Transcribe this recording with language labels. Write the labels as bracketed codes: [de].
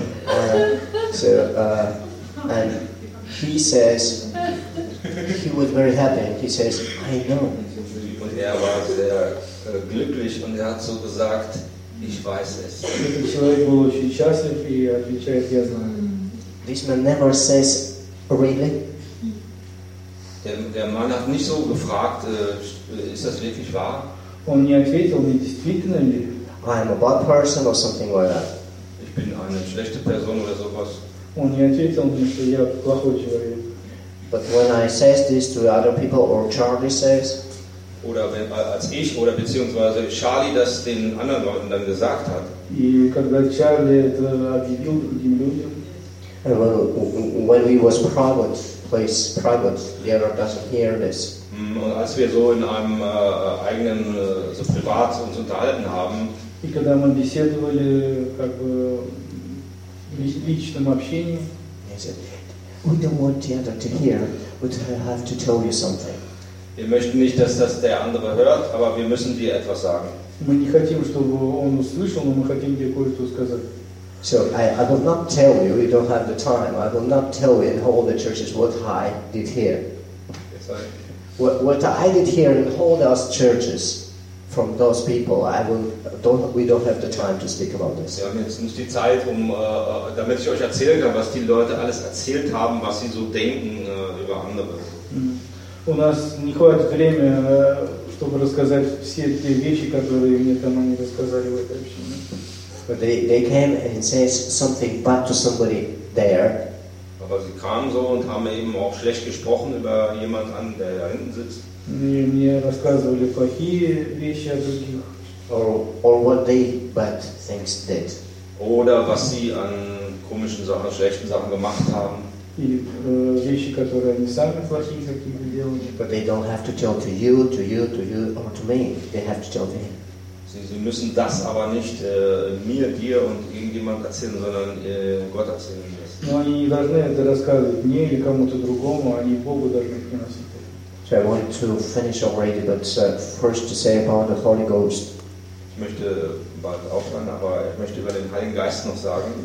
[en] And he says he was very happy. He says, I know. [de] Und er war sehr glücklich und er hat so gesagt, ich weiß es. [ru] Этот человек был очень счастлив и отвечает, я знаю. [en] This man never says really. [de] Der Mann hat nicht so gefragt, ist das wirklich wahr? [ru] Он не ответил, не действительно ли? [en] I'm a bad person or something like that. [de] Ich bin eine schlechte Person oder sowas. [ru] Он не ответил мне, что я плохой человек. [en] But when I say this to other people, or Charlie says, [de] oder wenn, als ich oder beziehungsweise Charlie das den anderen Leuten dann gesagt hat. [ru] И когда Чарли это объявил другим людям. [en] And when he was private, place private, the other doesn't hear this. [de] Und als wir so in einem eigenen so privat uns unterhalten haben, [ru] и когда мы беседовали как бы личном общении, [en] he said, we don't want the other to hear, but I have to tell you something. [de] Wir möchten nicht, dass das der andere hört, aber wir müssen dir etwas sagen. [ru] Мы не хотим, чтобы он услышал, но мы хотим тебе кое-что сказать. [en] So I will not tell you. You don't have the time. I will not tell you in all the churches what I did here. Yes, I. What I did here in all those churches from those people, we don't have the time to speak about this. [de] Ja, jetzt muss die Zeit, um damit ich euch erzählen kann, was die Leute alles erzählt haben, was sie so denken über andere. [ru] У нас не хватит времени, чтобы рассказать все те вещи, которые мне там они рассказали в этой общине. [en] But they came and said something bad to somebody there. [de] Aber sie kamen so und haben eben auch schlecht gesprochen über jemanden, der da hinten sitzt. [ru] Mir рассказывали плохие вещи о других. [en] Or what they bad things did. [de] Oder was sie an komischen Sachen, schlechten Sachen gemacht haben. [ru] Вещи, которые они сами плохие какие-то делали. [en] But they don't have to tell to you, or to me. They have to tell to him. [de] Sie müssen das aber nicht mir, dir und irgendjemand erzählen, sondern Gott erzählen. [ru] Но они не должны это рассказывать мне или кому-то другому, они Богу должны приносить. [en] So I want to finish already, but first to say about the Holy Ghost. [de] Ich möchte bald aufhören, aber ich möchte über den Heiligen Geist noch sagen.